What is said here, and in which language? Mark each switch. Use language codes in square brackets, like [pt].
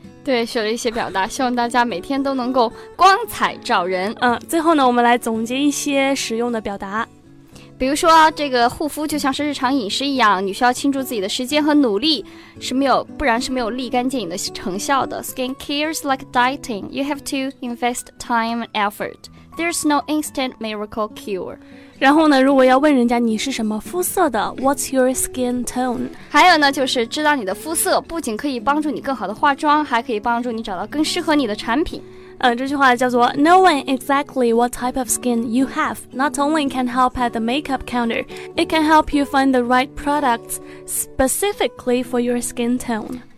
[zh] 对，学了一些表达，希望大家每天都能够光彩照人。嗯，最后呢，我们来总结一些实用的表达。比如说这个护肤就像是日常饮食一样，你需要倾注自己的时间和努力，不然是没有立竿见影的成效的。 [en] Skin care is like dieting, you have to invest time and effort, there's no instant miracle cure。 [zh] 然后呢，如果要问人家你是什么肤色的， [en] What's your skin tone？ [zh] 还有呢，就是知道你的肤色不仅可以帮助你更好的化妆，还可以帮助你找到更适合你的产品。这句话叫做 [en] Knowing exactly what type of skin you have not only can help at the makeup counter, it can help you find the right products specifically for your skin tone.